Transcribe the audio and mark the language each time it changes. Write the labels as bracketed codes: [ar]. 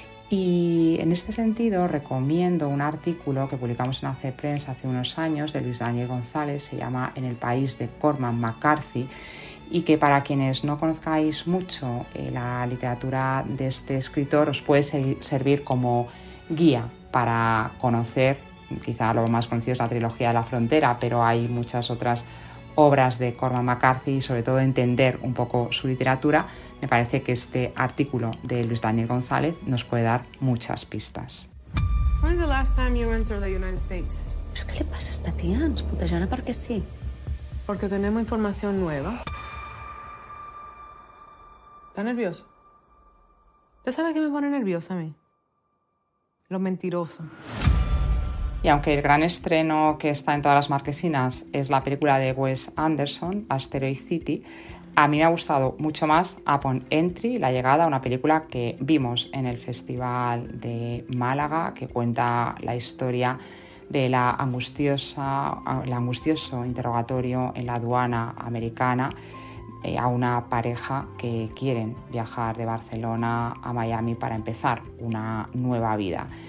[es] Y en este sentido recomiendo un artículo que publicamos en AC Prensa hace unos años de Luis Daniel González, se llama En el país de Cormac McCarthy, y que para quienes no conozcáis mucho la literatura de este escritor os puede servir como guía para conocer, quizá lo más conocido es la trilogía de La frontera, pero hay muchas otras obras de Cormac McCarthy, y sobre todo entender un poco su literatura. Me parece que este artículo de Luis Daniel González nos puede dar muchas pistas. [en] When was the last time you entered the United States? [es] ¿Pero qué le pasa a esta tía? ¿Nos putejana por qué sí? Porque tenemos información nueva. ¿Está nervioso? ¿Ya sabe qué me pone nerviosa a mí? Lo mentiroso. Y aunque el gran estreno que está en todas las marquesinas es la película de Wes Anderson, Asteroid City, a mí me ha gustado mucho más Upon Entry, La llegada, una película que vimos en el Festival de Málaga, que cuenta la historia de el angustioso interrogatorio en la aduana americana a una pareja que quieren viajar de Barcelona a Miami para empezar una nueva vida.